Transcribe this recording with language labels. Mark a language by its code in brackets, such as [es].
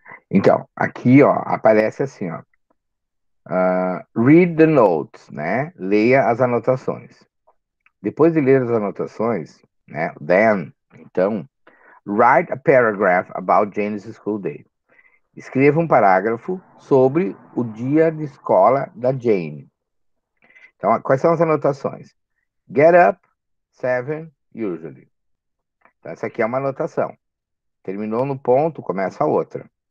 [pt] Então, aqui, ó, aparece assim, ó. [en] Read the notes, [pt] né? Leia as anotações. Depois de ler as anotações, né? [en] Then, [pt] então, [en] write a paragraph about Jane's school day. [pt] Escreva um parágrafo sobre o dia de escola da Jane. Então, quais são as anotações? [en] Get up, 7, usually. [pt] Então, essa aqui é uma anotação. Terminou no ponto, começa a outra.